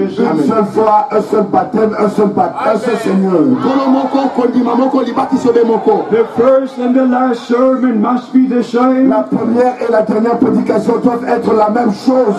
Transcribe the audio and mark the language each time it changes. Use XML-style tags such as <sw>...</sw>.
<fr>Une seule foi, un seul baptême, un seul baptême, un seul Seigneur.</fr> <en>The first and the last sermon must be the same.</en> <fr>La première et la dernière prédication doivent être la même chose.</fr>